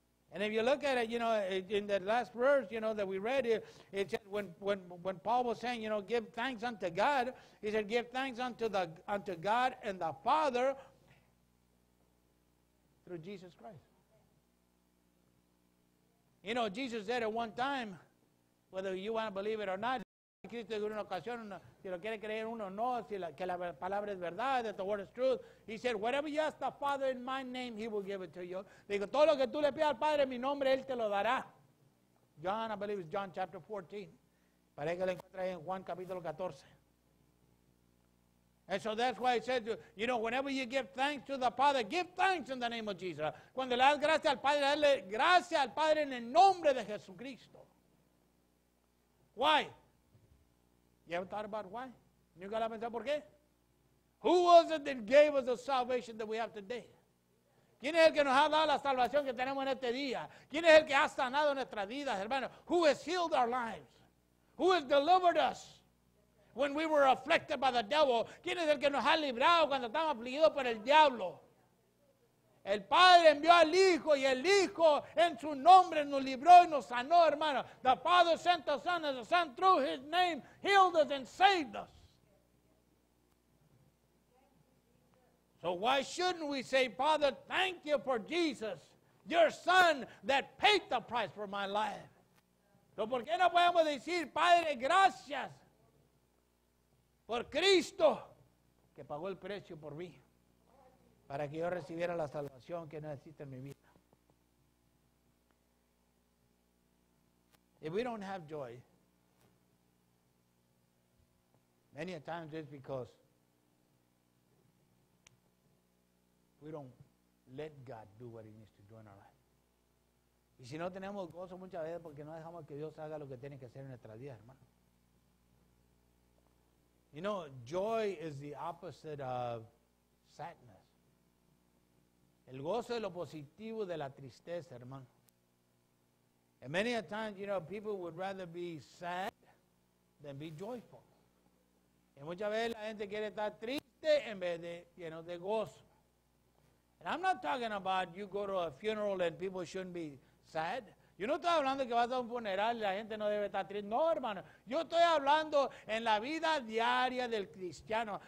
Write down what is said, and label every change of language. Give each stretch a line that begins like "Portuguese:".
English: And if you look at it, you know, in the last verse, you know, that we read, it said when Paul was saying, you know, give thanks unto God, he said, give thanks unto God and the Father through Jesus Christ. You know, Jesus said at one time, whether you want to believe it or not,
Spanish: Cristo dijo en una ocasión, si lo quiere creer uno o no, si que la palabra es verdad,
English: that the word is truth. He said, whatever you ask the Father in my name, he will give it to you.
Spanish: Digo, todo lo que tú le pidas al Padre en mi nombre, Él te lo dará.
English: John, I believe it's John chapter 14.
Spanish: Parece que lo encuentra en Juan capítulo 14.
English: And so that's why he said, you know, whenever you give thanks to the Father, give thanks in the name of Jesus.
Spanish: Cuando le das gracias al Padre, dale gracias al Padre en el nombre de Jesucristo.
English: Why? You ever thought about why? You got to
Spanish: pensar por qué?
English: Who was it that gave us the salvation that we have today?
Spanish: ¿Quién es el que nos ha dado la salvación que tenemos en este día? ¿Quién es el que ha sanado nuestras vidas, hermano?
English: Who has healed our lives? Who has delivered us when we were afflicted by the devil?
Spanish: ¿Quién es el que nos ha librado cuando estamos afligidos por el diablo? El Padre envió al Hijo y el Hijo en su nombre nos libró y nos sanó, hermano.
English: The Father sent the Son and the Son through His name healed us and saved us. So why shouldn't we say, Father, thank you for Jesus, your Son that paid the price for my life.
Spanish: So por qué no podemos decir, Padre, gracias por Cristo que pagó el precio por mí, para que yo recibiera la salvación que necesito en mi vida.
English: If we don't have joy, many a times it's because we don't let God do what He needs to do in our life.
Spanish: Y si no tenemos gozo muchas veces porque no dejamos que Dios haga lo que tiene que hacer en nuestra vida, hermano.
English: You know, joy is the opposite of sadness.
Spanish: El gozo es lo positivo de la tristeza, hermano.
English: And many a times, you know, people would rather be sad than be joyful.
Spanish: Y muchas veces la gente quiere estar triste en vez de, you know, de gozo.
English: And I'm not talking about you go to a funeral and people shouldn't be sad.
Spanish: Yo no estoy hablando que vas a un funeral y la gente no debe estar triste. No, hermano. Yo estoy hablando en la vida diaria del cristiano.